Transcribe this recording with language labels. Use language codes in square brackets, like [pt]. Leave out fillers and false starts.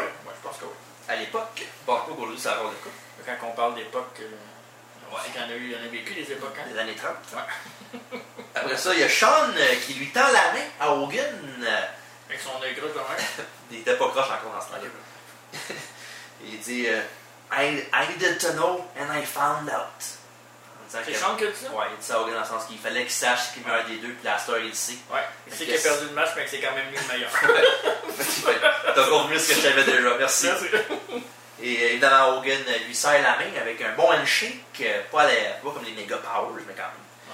[fr] Ouais, je pense que oui. À l'époque, Barco Gourdou, ça va le coup. Quand on parle d'époque, ouais. Quand on a vécu des époques. Hein? Les années 30. Ouais. Après ça, il y a Sean qui lui tend la main à Hogan. Avec son œil gros quand même. Il n'était pas croche encore dans ce temps-là. Il dit [en] I needed to know and I found out. [fr] C'est Sean que tu sais. Ouais, il dit ça à Hogan dans le sens qu'il fallait qu'il sache qu'il meurt des deux, puis la star, il le sait. Ouais, il sait qu'il a perdu le match, mais que c'est quand même lui le meilleur. T'as compris ce que tu avais déjà, merci. Merci. Et évidemment, Hogan lui serre la main avec un bon handshake, pas comme les méga powers, mais quand même.